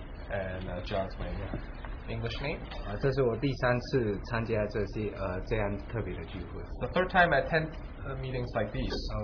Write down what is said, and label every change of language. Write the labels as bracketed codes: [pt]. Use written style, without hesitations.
[en] And John's my English name. [zh] 这是我第三次参加这些这样特别的聚会。 [en] The third time I attend meetings like these.